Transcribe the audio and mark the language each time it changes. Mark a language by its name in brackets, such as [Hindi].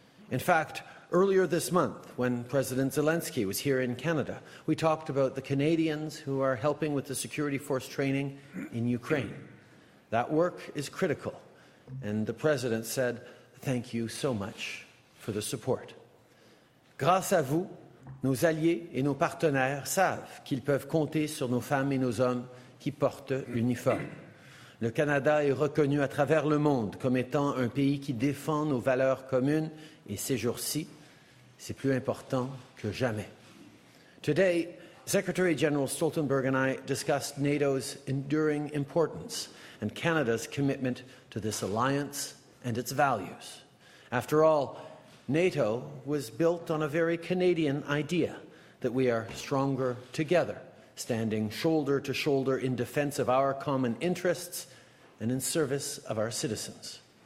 [English] In fact, earlier this month, when President Zelensky was here in Canada, we talked about the Canadians who are helping with the security force training in Ukraine. That work is critical, and the President said, "Thank you so much for the support." [French] Grâce à vous, nos alliés et nos partenaires savent qu'ils peuvent compter sur nos femmes et nos hommes qui portent l'uniforme. Le Canada est reconnu à travers le monde comme étant un pays qui défend nos valeurs communes, et ces jours-ci, c'est plus important que jamais. [English] Today, Secretary General Stoltenberg and I discussed NATO's enduring importance and Canada's commitment to this alliance and its values. After all, NATO was built on a very Canadian idea that we are stronger together, standing shoulder to shoulder in defense of our common interests and in service of our citizens.